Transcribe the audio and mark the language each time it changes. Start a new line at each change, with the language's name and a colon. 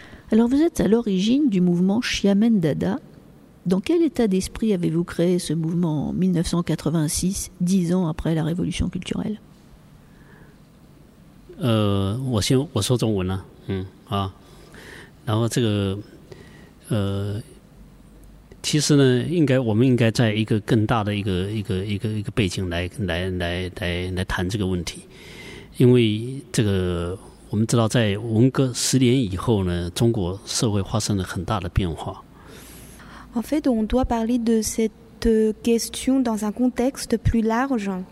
French: Alors, vous êtes à l'origine du mouvement Xiamen Dada. Dans quel état d'esprit avez-vous créé ce mouvement en 1986, 10 ans après la révolution culturelle?
Chinese: 我说中文了，然后这个，其实呢，我们应该在一个更大的一个背景来谈这个问题，因为这个。我们知道在文革10年以后呢，中国社会发生了很大的变化。
French: En fait, on doit parler de cette question dans un contexte plus large.